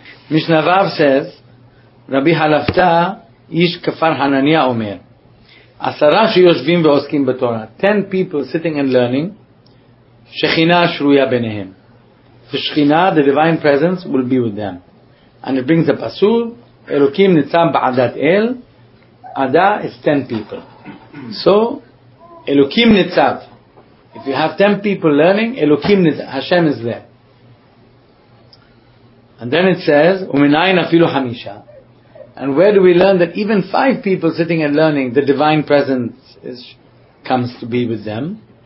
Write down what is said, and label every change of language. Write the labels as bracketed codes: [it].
[en] Mishnah Rav says, [he] Rabbi Halafta, Ish Kafar Hananiah Omer, עשרה שיושבים ועוסקים בתורה. [en] 10 people sitting and learning, [he] שכינה שרויה ביניהם. [en] ושכינה, the divine presence, will be with them. And it brings a pasul, [he] אלוקים ניצב בעדת אל, [en] עדה is 10 people. [he] So, אלוקים ניצב. [en] If you have 10 people learning, [he] אלוקים ניצב, [en] Hashem is there. And then it says, [he] "Uminayin afilu hamisha." [en] And where do we learn that even five people sitting and learning, the divine presence is, comes to be with them?